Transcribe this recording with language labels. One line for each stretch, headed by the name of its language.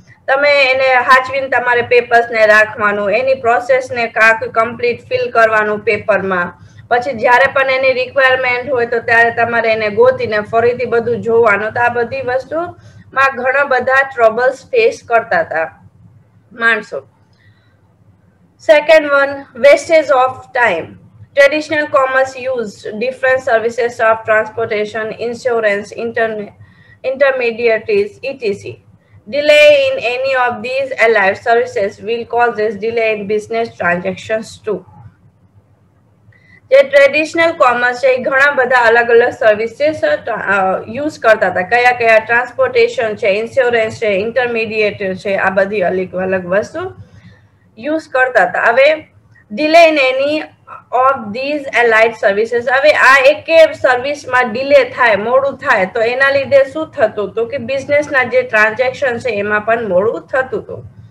Gujarati: તમે એને હાચવીને તમારે પેપર્સને રાખવાનું, એની પ્રોસેસને કાંક કમ્પ્લીટ ફિલ કરવાનું પેપરમાં, પછી જ્યારે પણ એની રિક્વાયરમેન્ટ હોય તો ત્યારે તમારે એને ગોતીને ફરીથી બધું જોવાનું, તો આ બધી વસ્તુમાં ઘણા બધા ટ્રબલ્સ ફેસ કરતા હતા માણસો.
English: Second one, wastage of time. Traditional commerce use different services of transportation, insurance, intermediaries, etc. Delay in any of these allied services will cause this delay in business transactions too.
Gujarati: જે traditional commerce છે એ ઘણા બધા અલગ અલગ services use કરતા હતા, કયા કયા, ટ્રાન્સપોર્ટેશન છે, ઇન્સ્યોરન્સ છે, ઇન્ટરમીડિયેટર છે, આ બધી અલગ અલગ વસ્તુ યુઝ કરતા હતા. હવે
English: delay in any of these allied services,
Gujarati: હવે આ એક સર્વિસમાં ડિલે થાય, મોડું થાય, તો એના લીધે શું થતું હતું કે બિઝનેસના જે ટ્રાન્ઝેક્શન છે એમાં પણ મોડું થતું હતું.